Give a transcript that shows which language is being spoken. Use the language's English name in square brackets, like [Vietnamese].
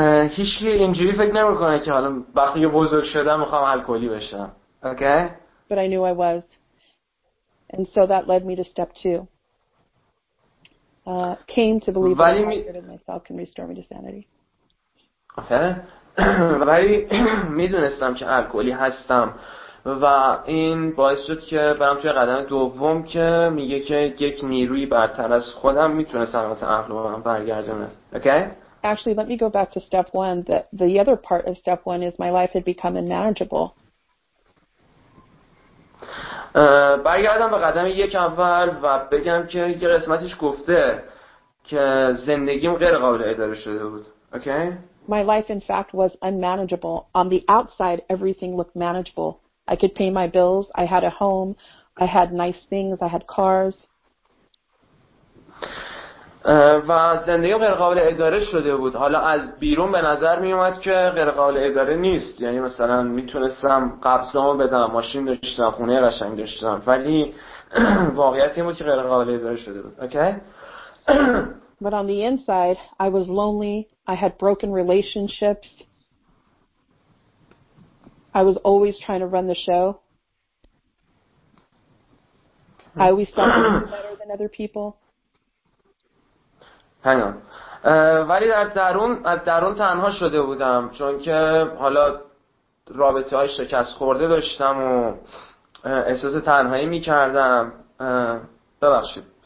[Persian] هیچ کی اینجوری فکر نمی‌کنه که حالا وقتی بزرگ شدم می‌خوام الکلی بشم. [English] Okay? But I knew I was. And so that led me to step 2. Came to believe that I could myself can restore me to sanity. [Persian] اوکی؟ ولی میدونستم که الکلی هستم و این باعث شد که برم توی قدم دوم که میگه که یک نیروی برتر از خودم میتونه سلامت عقل رو برگردونه. [English] Okay? Actually, let me go back to step 1. The other part of step 1 is my life had become unmanageable. [Persian] برگردم به قدم یک اول و بگم که یه قسمتش گفته که زندگیم غیر قابل اداره شده بود. [English] Okay? My life, in fact, was unmanageable. On the outside, everything looked manageable. I could pay my bills. I had a home. I had nice things. I had cars. [Persian] و زندگی غیر قابل اداره شده بود. حالا از بیرون به نظر می اومد که غیر قابل اداره نیست. یعنی مثلا میتونستم قبضامو بدم، ماشین داشتم، خونه قشنگ داشتم. ولی واقعیت این بود که غیر قابل اداره شده بود. [English] Okay? But on the inside, I was lonely. I had broken relationships. I was always trying to run the show. I always thought I was better than other people. Hang on. [Persian] ولی از درون تنها شده بودم، چون که حالا رابطه های شکست خورده داشتم و احساس تنهایی می کردم. ببخشید.